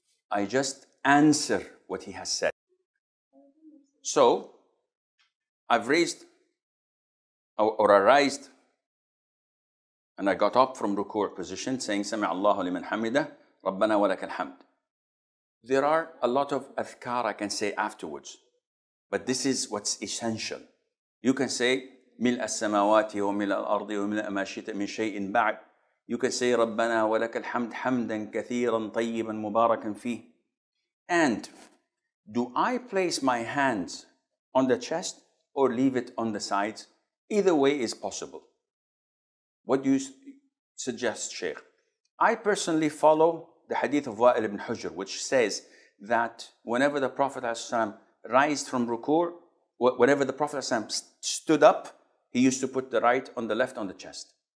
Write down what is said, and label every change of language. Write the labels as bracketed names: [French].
[English] I just answer what he has said. So I've raised or I raised and I got up from ruku' position saying [Arabic] سَمِعَ اللَّهُ لِمَنْ حَمِدَهُ رَبَّنَا وَلَكَ الْحَمْدِ. [English] There are a lot of adhkar I can say afterwards, but this is what's essential. You can say [Arabic] مِلْءَ السَّمَوَاتِ وَمِلْءَ الْأَرْضِ وَمِلْءَ مَا شِئْتَ مِنْ شَيْءٍ بَعْدِ. [English] You can say [Arabic] رَبَّنَا وَلَكَ الْحَمْدِ حَمْدًا كَثِيرًا طَيِّبًا مُبَارَكًا فِيهِ. [English] And do I place my hands on the chest or leave it on the sides? Either way is possible. What do you suggest, Shaykh? I personally follow the hadith of Wa'il ibn Hujr, which says that whenever the Prophet ﷺ raised from ruku', whenever the Prophet ﷺ stood up, he used to put the right on the left on the chest.